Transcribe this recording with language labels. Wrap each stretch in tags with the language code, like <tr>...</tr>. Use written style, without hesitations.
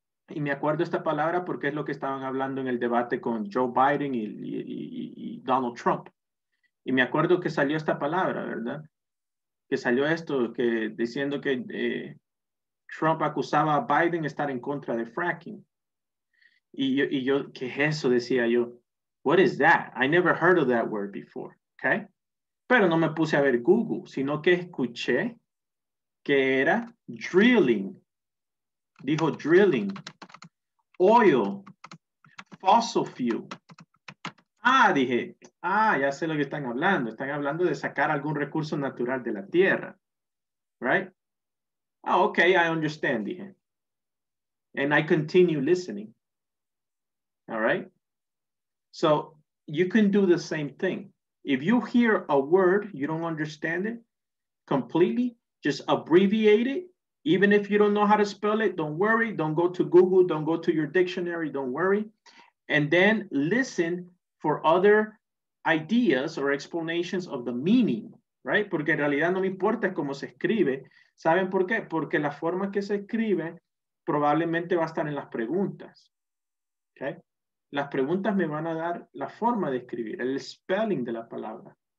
<es>Y me acuerdo esta palabra porque es lo que estaban hablando en el debate con Joe Biden y Donald Trump. Y me acuerdo que salió esta palabra, ¿verdad? Que salió esto, que diciendo que Trump acusaba a Biden de estar en contra de fracking. Y yo, ¿qué es eso? Decía yo,</es> <en>what is that? I never heard of that word before, okay?</en> <es>Pero no me puse a ver Google, sino que escuché que era drilling.</es> <en>Dijo drilling, oil, fossil fuel.</en> <es>Ah, dije, ah, ya sé lo que están hablando. Están hablando de sacar algún recurso natural de la tierra.</es> <en>Right? Ah, oh, okay, I understand, dije. And I continue listening. All right? So, you can do the same thing. If you hear a word, you don't understand it completely, just abbreviate it. Even if you don't know how to spell it, don't worry. Don't go to Google. Don't go to your dictionary. Don't worry. And then listen for other ideas or explanations of the meaning, right?</en> <es>Porque en realidad no me importa cómo se escribe. ¿Saben por qué? Porque la forma que se escribe probablemente va a estar en las preguntas, okay? Las preguntas me van a dar la forma de escribir, el spelling de la palabra.</es>